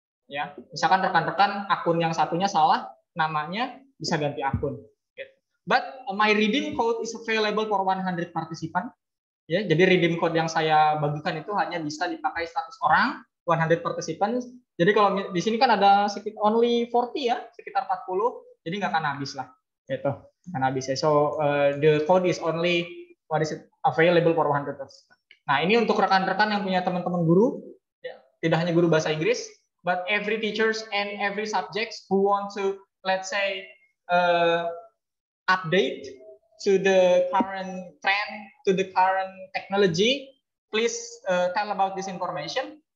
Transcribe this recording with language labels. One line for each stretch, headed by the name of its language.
Indonesian: Ya, misalkan rekan-rekan akun yang satunya salah namanya, bisa ganti akun.
English: But my redeem code is available for 100 participant.
Indonesian: Ya, jadi redeem code yang saya bagikan itu hanya bisa dipakai 100 orang, 100 participants. Jadi kalau di sini kan ada sekitar only 40 ya, sekitar 40. Jadi nggak akan habis lah. Gitu. Akan habis ya.
English: So the code is only what is it, available for 100 participants.
Indonesian: Nah, ini untuk rekan-rekan yang punya teman-teman guru, ya, tidak hanya guru bahasa Inggris.
English: But every teachers and every subjects who want to, let's say, update to the current trend, to the current technology, please tell about this information.